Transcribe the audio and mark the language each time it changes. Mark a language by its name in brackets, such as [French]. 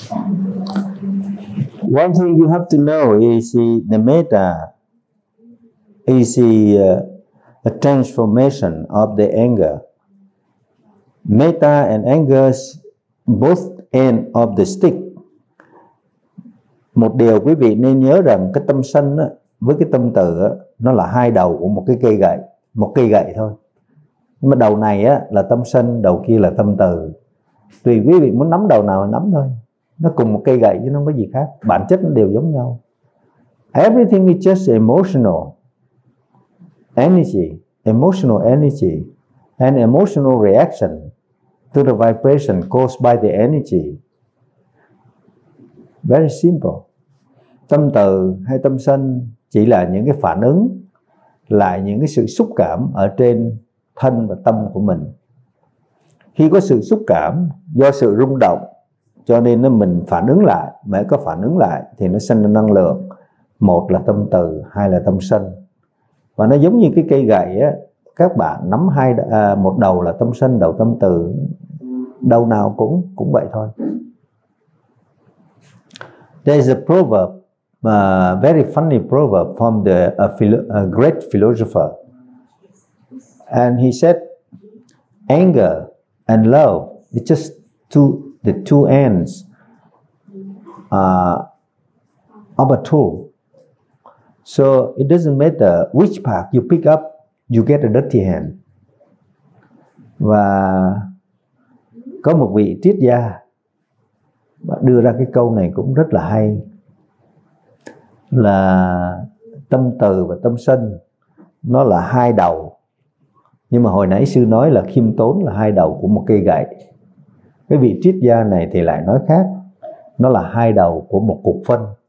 [English] One thing you have to know is the metta is a transformation of the anger. Metta and anger both end of the stick. [Vietnamese] Một điều quý vị nên nhớ rằng cái tâm sân á, với cái tâm tử á, nó là hai đầu của một cái cây gậy, một cây gậy thôi. Nhưng mà đầu này á, là tâm sân, đầu kia là tâm tử. Tùy quý vị muốn nắm đầu nào nắm thôi. Nó cùng một cây gậy chứ nó không có gì khác. Bản chất nó đều giống nhau. [English] Everything is just emotional energy, emotional energy and emotional reaction to the vibration caused by the energy. Very simple. [Vietnamese] Tâm từ hay tâm sân chỉ là những cái phản ứng, là những cái sự xúc cảm ở trên thân và tâm của mình. Khi có sự xúc cảm do sự rung động, cho nên mình phản ứng lại, mới có phản ứng lại thì nó sinh ra năng lượng. Một là tâm từ, hai là tâm sân. Và nó giống như cái cây gậy á, các bạn nắm hai một đầu là tâm sân, đầu tâm từ, đầu nào cũng vậy thôi. [English] There is a proverb, a very funny proverb from the a great philosopher. And he said, anger and love, it's just the two ends of a tool. So it doesn't matter which part you pick up, you get a dirty hand. [Vietnamese] Và có một vị triết gia đưa ra cái câu này cũng rất là hay, là tâm từ và tâm sân nó là hai đầu. Nhưng mà hồi nãy sư nói là khiêm tốn là hai đầu của một cây gậy. Cái vị triết gia này thì lại nói khác, nó là hai đầu của một cục phân.